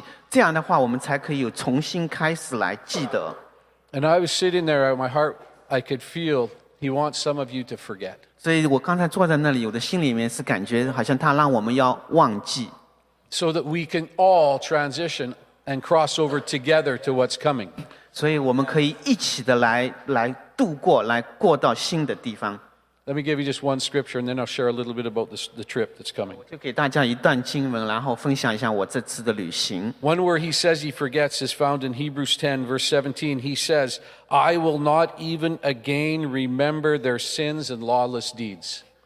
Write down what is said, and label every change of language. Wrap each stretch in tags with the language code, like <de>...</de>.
<zh>可能有一些痛苦的事情，或者某些人做了什么事情，所以神让我们先要来忘记，这样的话我们才可以有重新开始来记得。</zh> <en>And I was sitting there, my heart, I could feel he wants some of you to forget.</en> <zh>所以我刚才坐在那里，我的心里面是感觉好像他让我们要忘记。</zh> <en>So that we can all transition and cross over together to what's coming.</en> <zh>所以我们可以一起的来度过，来过到新的地方。</zh> <en>Let me give you just one scripture, and then I'll share a little bit about the trip that's coming.</en> <zh>就给大家一段经文，然后分享一下我这次的旅行。</zh> <en>One where he says he forgets is found in Hebrews 10, verse 17. He says, I will not even again remember their sins and lawless deeds.</en>